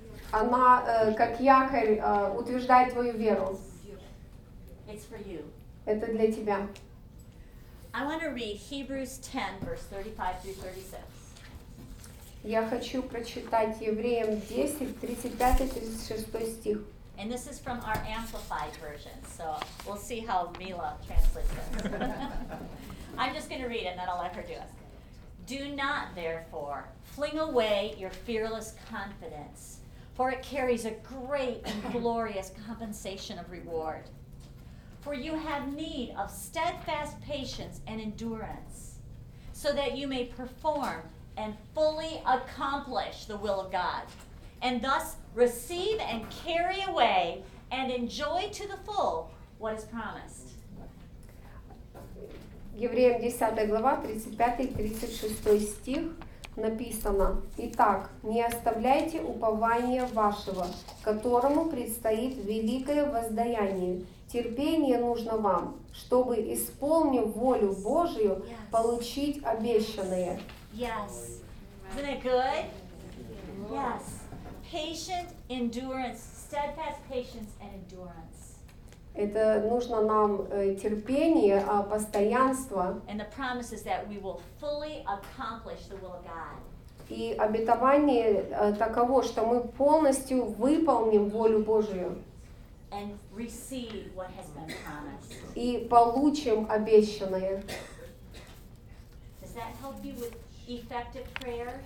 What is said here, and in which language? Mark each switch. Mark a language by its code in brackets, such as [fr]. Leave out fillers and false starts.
[ru] Она как якорь утверждает твою веру. [en] It's for you. [ru] Это для тебя. [en] I want to read Hebrews 10, verse 35 through 36. [ru] Я хочу прочитать Евреям 10, 35 и 36 стих. [en] And this is from our Amplified version, so we'll see how Mila translates this. I'm just going to read it, and then I'll let her do it. Do not, therefore, fling away your fearless confidence, for it carries a great and glorious compensation of reward. For you have need of steadfast patience and endurance, so that you may perform and fully accomplish the will of God, and thus receive and carry away and enjoy to the full what is promised. [ru] Евреям 10 глава, 35-36 стих написано: «Итак, не оставляйте упования вашего, которому предстоит великое воздаяние. Терпение нужно вам, чтобы, исполнив волю Божию, получить обещанное». [en] Yes. Isn't it good? Yes. Patient endurance, steadfast patience and endurance. [ru] Это нужно нам терпение, постоянство. [en] And the promise is that we will fully accomplish the will of God. [ru] И обетование таково, что мы полностью выполним волю Божию. [en] And receive what has been promised. [ru] И получим обещанное. [en] Does that help you with effective prayer?